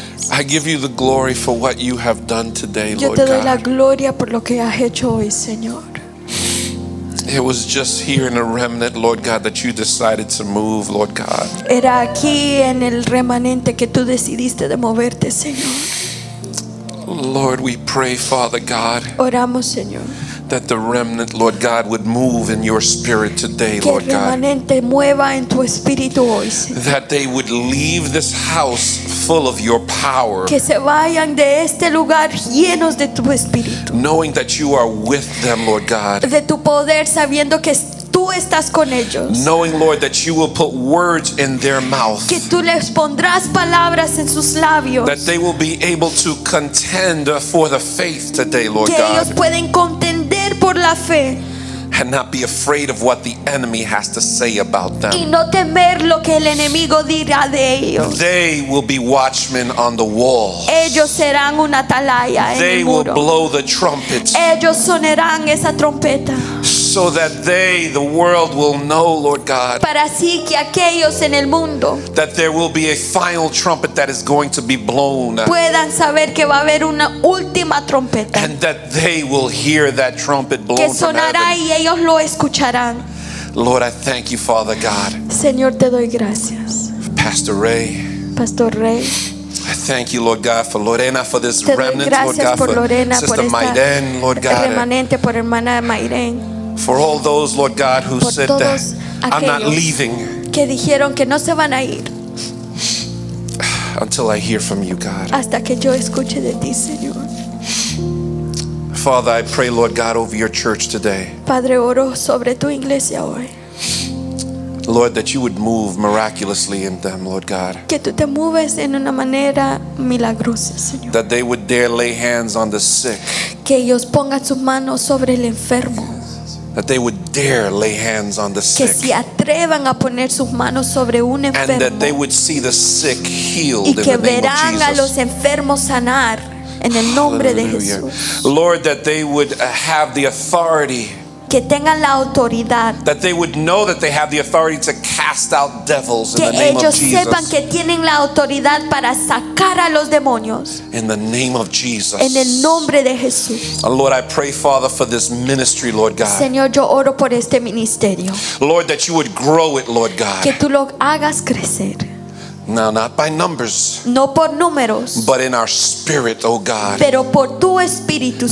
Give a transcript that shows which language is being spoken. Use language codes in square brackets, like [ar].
[en] I give you the glory for what you have done today, Lord God. [es] Yo te doy la gloria por lo que has hecho hoy, Señor. [en] It was just here in a remnant, Lord God, that you decided to move, Lord God. [es] Era aquí en el remanente que tú decidiste de moverte, Señor. [en] Lord, we pray, Father God. [es] Oramos, Señor. [en] That the remnant, Lord God, would move in your spirit today, Lord God. [es] Que el remanente mueva en tu espíritu hoy. [en] That they would leave this house full of your power. [es] Que se vayan de este lugar llenos de tu espíritu. [en] Knowing that you are with them, Lord God. [es] De tu poder, sabiendo que tú estás con ellos. [en] Knowing, Lord, that you will put words in their mouth. [es] Que tú les pondrás palabras en sus labios. [en] That they will be able to contend for the faith today, Lord [es] God. Que ellos pueden contender. [en] And not be afraid of what the enemy has to say about them. [es] Y no temer lo que el enemigo dirá de ellos. [en] They will be watchmen on the walls. [es] Ellos serán una atalaya en el muro. [en] They will blow the trumpets. [es] Ellos sonarán esa trompeta. [en] So that they, the world, will know, Lord God. [es] Para así que aquellos en el mundo. [en] That there will be a final trumpet that is going to be blown. [es] Puedan saber que va a haber una última trompeta. [en] And that they will hear that trumpet blown. [es] Que sonará [en] from heaven. [es] Y ellos lo escucharán. [en] Lord, I thank you, Father God. [es] Señor, te doy gracias. [en] Pastor Ray. [es] Pastor Ray. [en] I thank you, Lord God, for Lorena, for this [es] te [en] remnant, Lord God, [es] por Lorena, [en] for Sister [es] por [en] Maiden, Lord God. [es] Remanente por hermana Maiden. [en] For all those, Lord God, who [es] por [en] said that I'm not leaving. [es] Que dijeron que no se van a ir. [en] Until I hear from you, God. [es] Hasta que yo escuche de ti, Señor. [en] Father, I pray, Lord God, over your church today. [es] Padre, oro sobre tu iglesia hoy. [en] Lord, that you would move miraculously in them, Lord God. [es] Que tú te mueves en una manera milagrosa, Señor. [en] That they would dare lay hands on the sick. [es] Que ellos pongan sus manos sobre el enfermo. [en] That they would dare lay hands on the sick. [es] Que se atrevan a poner sus manos sobre un enfermo. [en] And that they would see the sick healed. [es] Y que [en] in the [es] verán [en] name of Jesus. [es] A los enfermos sanar en el nombre de Jesús. [en] Lord, that they would have the authority. [es] Que tengan la autoridad. [en] That they would know that they have the authority to cast out devils in the name of Jesus. [es] Que ellos sepan que tienen la autoridad para sacar a los demonios. [en] In the name of Jesus. [es] En el nombre de Jesús. [en] Lord, I pray, Father, for this ministry, Lord God. [es] Señor, yo oro por este ministerio. [en] Lord, that you would grow it, Lord God. [es] Que tú lo hagas crecer. [en] No, not by numbers. [es] No por números. [en] But in our spirit, oh God. [es] Pero por tu espíritu,